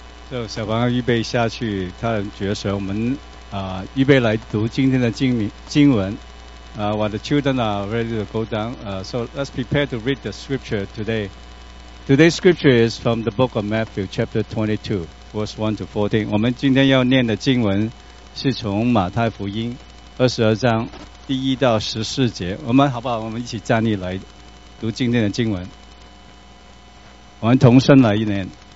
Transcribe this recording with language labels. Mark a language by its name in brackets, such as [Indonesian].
[Chinese] 就小朋友预备下去，他人角色，我们预备来读今天的经文。 [English] While the children are ready to go down, so let's prepare to read the scripture today. Today's scripture is from the book of Matthew, chapter 22, verse 1 to 14. [Chinese] 我们今天要念的经文是从马太福音22章第1到14节。我们好不好？我们一起站立来读今天的经文。我们同声来一念。